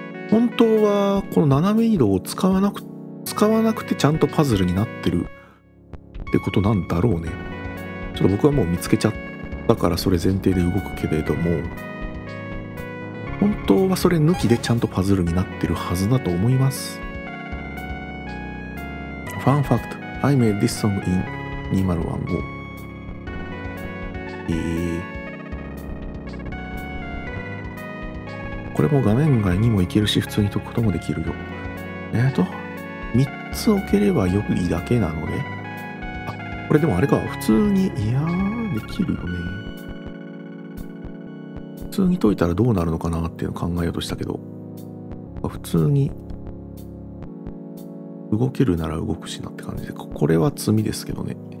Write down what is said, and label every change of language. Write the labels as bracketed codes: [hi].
[ja] 本当はこの斜め移動を使わなくてちゃんとパズルになってるってことなんだろうね。ちょっと僕はもう見つけちゃったからそれ前提で動くけれども、本当はそれ抜きでちゃんとパズルになってるはずだと思います。 [en] Fun fact I made this song in 2015。 [ja] これも画面外にもいけるし普通に解くこともできるよ。3つ置ければ良いだけなので、あ、これでもあれか、普通に、いやーできるよね。普通に解いたらどうなるのかなっていうのを考えようとしたけど、普通に動けるなら動くしなって感じで、これは罪ですけどね。